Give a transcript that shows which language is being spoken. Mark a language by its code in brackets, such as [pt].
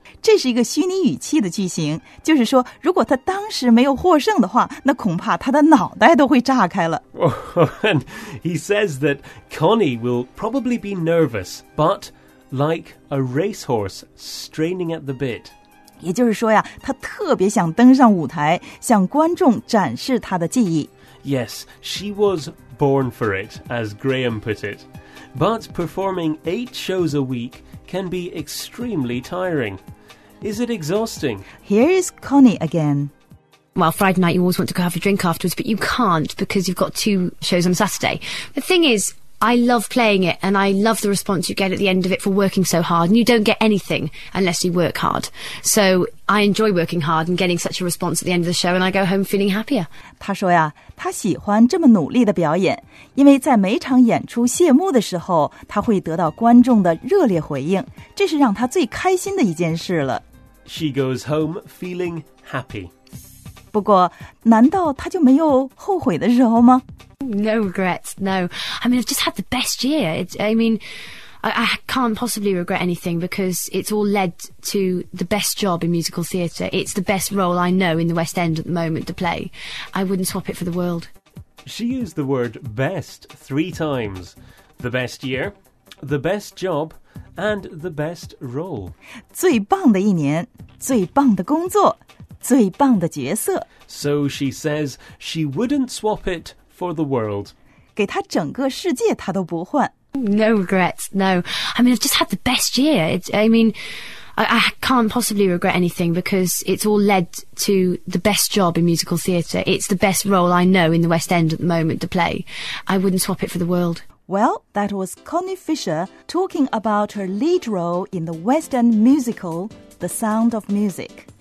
[zh] 这是一个虚拟语气的句型，就是说，如果她当时没有获胜的话，那恐怕她的脑袋都会炸开了。 [en] And he says that Connie will probably be nervous, but like a racehorse straining at the bit. [zh] 也就是说呀，她特别想登上舞台，向观众展示她的技艺。 [en] Yes, she was born for it, as Graham put it. But performing 8 shows a week can be extremely tiring. Is it exhausting? Here is Connie again. Well, Friday night you always want to go have a drink afterwards, but you can't because you've got 2 shows on Saturday. The thing is, I love playing it, and I love the response you get at the end of it for working so hard. And you don't get anything unless you work hard. So I enjoy working hard and getting such a response at the end of the show, and I go home feeling happier. [zh] 他说呀，他喜欢这么努力的表演，因为在每场演出谢幕的时候，他会得到观众的热烈回应，这是让他最开心的一件事了。 [en] She goes home feeling happy. [zh] 不过，难道他就没有后悔的时候吗？ [en] No regrets, no. I mean, I've just had the best year. I can't possibly regret anything because it's all led to the best job in musical theatre. It's the best role I know in the West End at the moment to play. I wouldn't swap it for the world. She used the word best 3 times. The best year, the best job, and the best role. [zh] 最棒的一年，最棒的工作，最棒的角色。 [en] So she says she wouldn't swap it,for the world. [zh] 给他整个世界他都不换。 [en] No regrets, no. I mean, I've just had the best year. I can't possibly regret anything because it's all led to the best job in musical theatre. It's the best role I know in the West End at the moment to play. I wouldn't swap it for the world. Well, that was Connie Fisher talking about her lead role in the West End musical, The Sound of Music.